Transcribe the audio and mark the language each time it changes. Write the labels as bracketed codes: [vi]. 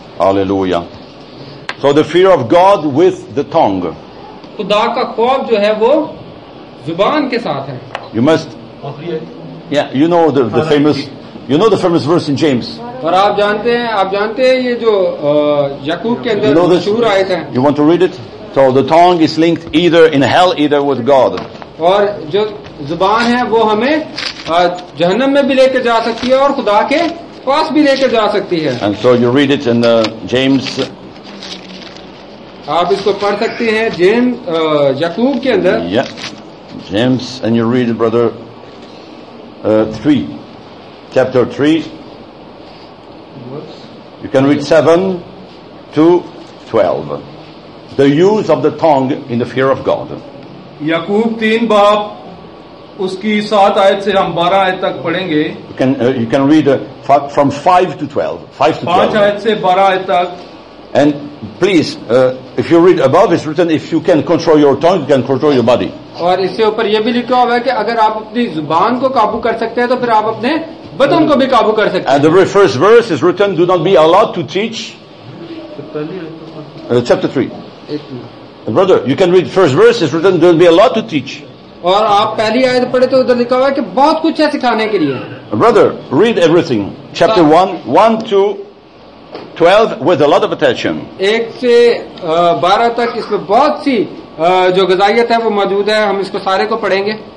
[en] Hallelujah. So the fear of God with the tongue. [hi] खुदा का खौफ जो है वो जुबान के साथ है. [en] You must Yeah, you know the famous verse in James. [hi] और आप जानते हैं ये जो याकूब के अंदर मशहूर आयत है. [en] You want to read it? So the tongue is linked either in hell, either with God. [hi] और जो जुबान है वो हमें जहन्नम में भी लेकर जा सकती है और खुदा के पास भी लेकर जा सकती है. [en] And so you read it in James. [hi] आप इसको पढ़ सकते हैं James याकूब के अंदर. [en] Yeah, James, and you read it, brother. Chapter 3. What? You can read 7-12. The use of the tongue in the fear of God. [hi] Yaqub 3 bab uski 7 ayat se hum 12 ayat tak padhenge. [en] You can read from 5-12. 5-12. [hi] 5 ayat se 12 ayat tak. [en] And please, if you read above, it's written if you can control your tongue, you can control your body. [hi] और इससे ऊपर ये भी लिखा हुआ है कि अगर आप अपनी जुबान को काबू कर सकते हैं तो फिर आप अपने बदन को भी काबू कर सकते हैं. [en] And the first verse is written, do not be allowed to teach. Chapter 3. Brother, you can read the first verse is written, do not be allowed to teach. [hi] और आप पहली आयत पढ़े तो उधर लिखा हुआ है कि बहुत कुछ है सिखाने के लिए. [en] Brother, read everything. Chapter 1-12 with a lot of attention. [hi] 1-12 तक इसमें बहुत सी जो गजाइयत है वो मौजूद है. हम इसको सारे को पढ़ेंगे.